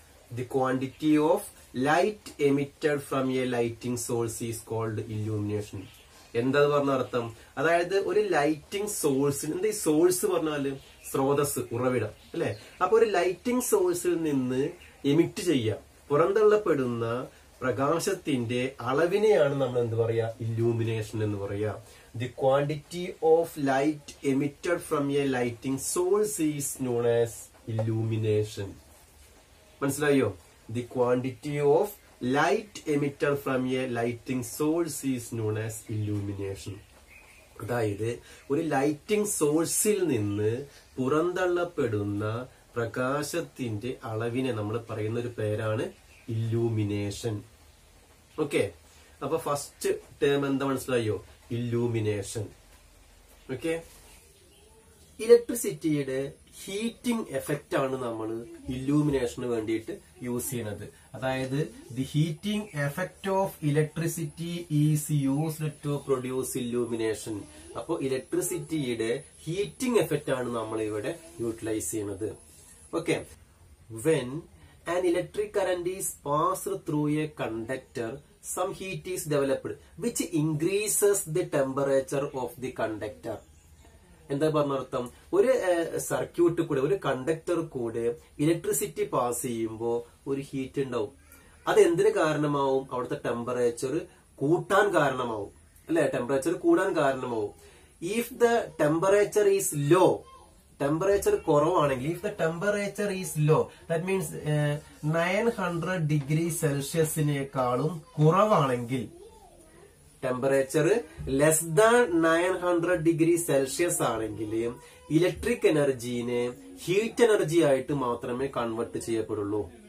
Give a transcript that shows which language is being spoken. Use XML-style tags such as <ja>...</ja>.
<en>The quantity of light emitted from a lighting source is called illumination.</en> <ml>എന്താ പറഞ്ഞ അർത്ഥം, അതായത് ഒരു ലൈറ്റിംഗ് സോഴ്സ്, എന്താ ഈ സോഴ്സ് പറഞ്ഞാല് സ്രോതസ്, ഉറവിടം അല്ലെ. അപ്പൊ ഒരു ലൈറ്റിംഗ് സോഴ്സിൽ നിന്ന് എമിറ്റ് ചെയ്യാം പുറന്തള്ളപ്പെടുന്ന പ്രകാശത്തിന്റെ അളവിനെയാണ് നമ്മൾ എന്ത് പറയുക, ഇല്യൂമിനേഷൻ എന്ന് പറയുക.</ml> <en>The quantity of light emitted from a lighting source is known as illumination.</en> <ml>മനസ്സിലായോ,</ml> <en>The quantity of light emitted from a lighting source is known as illumination.</en> <ml>അതായത് ഒരു ലൈറ്റിംഗ് സോഴ്സിൽ നിന്ന് പുറന്തള്ളപ്പെടുന്ന പ്രകാശത്തിന്റെ അളവിനെ നമ്മൾ പറയുന്ന ഒരു പേരാണ് ഇല്യൂമിനേഷൻ. ഓക്കെ, അപ്പൊ ഫസ്റ്റ് ടേം എന്താ മനസ്സിലായോ, ഇല്യൂമിനേഷൻ. ഓക്കെ, ഇലക്ട്രിസിറ്റിയുടെ ഹീറ്റിംഗ് എഫക്റ്റ് ആണ് നമ്മൾ ഇല്യൂമിനേഷന് വേണ്ടിയിട്ട് യൂസ് ചെയ്യുന്നത്.</ml> <en>അതായത് the heating effect of electricity is used to produce illumination.</en> <ml>അപ്പോ ഇലക്ട്രിസിറ്റിയുടെ ഹീറ്റിംഗ് എഫക്റ്റ് ആണ് നമ്മൾ ഇവിടെ യൂട്ടിലൈസ് ചെയ്യുന്നത്.</ml> <en>Okay, when an electric current is passed through a conductor some heat is developed which increases the temperature of the conductor.</en> <ml>എന്താ പറഞ്ഞർത്ഥം? ഒരു circuit കൂടെ ഒരു conductor കൂടെ ഇലക്ട്രിസിറ്റി പാസ് ചെയ്യുമ്പോൾ ഒരു ഹീറ്റ് ഉണ്ടാവും. അത് എന്തിനു കാരണമാവും? അവിടുത്തെ ടെമ്പറേച്ചർ കൂട്ടാൻ കാരണമാവും അല്ലെ, ടെമ്പറേച്ചർ കൂടാൻ കാരണമാവും.</ml> <en>if the temperature is low,</en> <ml>temperature കുറവാണെങ്കിൽ,</ml> <en>if the temperature is low that means</en> <ml>900 degree സെൽഷ്യസിനേക്കാളും കുറവാണെങ്കിൽ,</ml> <en>temperature less than</en> <ml>900 degree Celsius ആണെങ്കിൽ ഇലക്ട്രിക് എനർജീനെ ഹീറ്റ് എനർജി ആയിട്ട് മാത്രമേ കൺവെർട്ട് ചെയ്യപ്പെടുള്ളൂ.</ml>